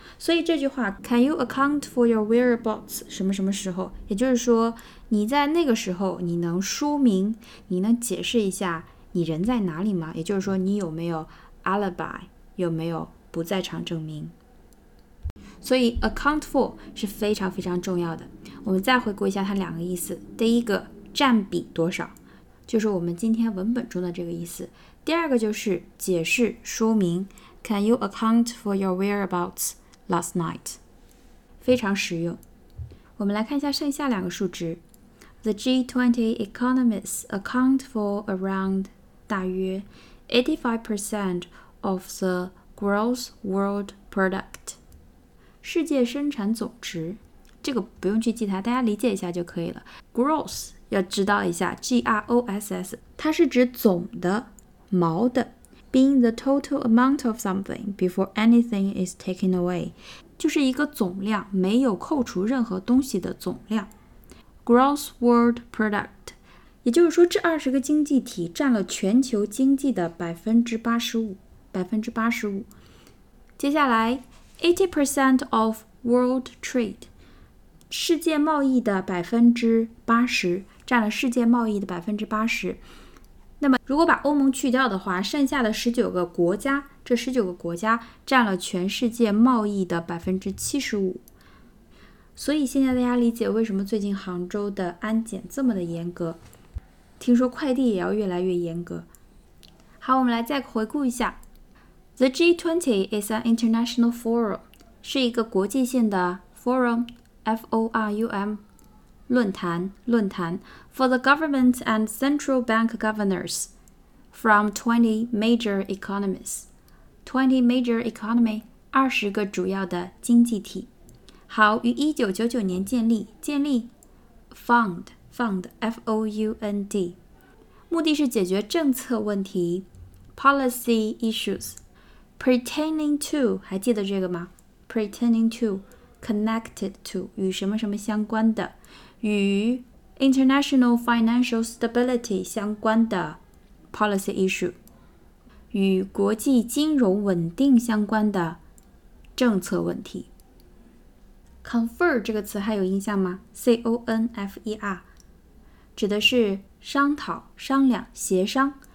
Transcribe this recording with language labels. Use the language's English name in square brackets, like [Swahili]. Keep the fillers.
[Chinese] 所以这句话， [English] Can you account for your whereabouts？ [Chinese] 什么什么时候？也就是说，你在那个时候，你能说明、你能解释一下你人在哪里吗？也就是说，你有没有 alibi？有没有不在场证明？所以 account for 是非常非常重要的。我们再回顾一下它两个意思：第一个占比多少，就是我们今天文本中的这个意思；第二个就是解释说明。 [English] Can you account for your whereabouts？ Last night， [Chinese] 非常实用。我们来看一下剩下两个数值。 [English] The G20 e c o n o m i s t s account for around [Chinese] 大约 [English] 85% of the gross world product。 [Chinese] 世界生产总值，这个不用去记它，大家理解一下就可以了。 Gross 要知道一下，G R O S S，它是指总的、毛的。 [English] Being the total amount of something before anything is taken away， [Chinese] 就是一个总量，没有扣除任何东西的总量。 Gross World Product，也就是说这二十个经济体占了全球经济的百分之八十五，百分之八十五。接下来， [English] Eighty percent of world trade， [Chinese] 世界贸易的百分之八十，占了世界贸易的百分之八十。那么，如果把欧盟去掉的话，剩下的十九个国家，这十九个国家占了全世界贸易的百分之七十五。所以现在大家理解为什么最近杭州的安检这么的严格？听说快递也要越来越严格。好，我们来再回顾一下： [English] The G20 is an international forum， [Chinese] 是一个国际性的 forum，F-O-R-U-M。论坛论坛， [English] for the government and central bank governors from twenty major economies，twenty major economy [Chinese] 二十个主要的经济体，好，于一九九九年建立建立， [English] found found f o u n d， [Chinese] 目的是解决政策问题， [English] policy issues pertaining to， [Chinese] 还记得这个吗？pertaining to， [English] connected to [Chinese] 与什么什么相关的。与 [English] international financial stability [Chinese] 相关的 policy issue，与国际金融稳定相关的政策问题。 Confer 这个词还有印象吗？C O N F E R 指的是商讨、商量、协商。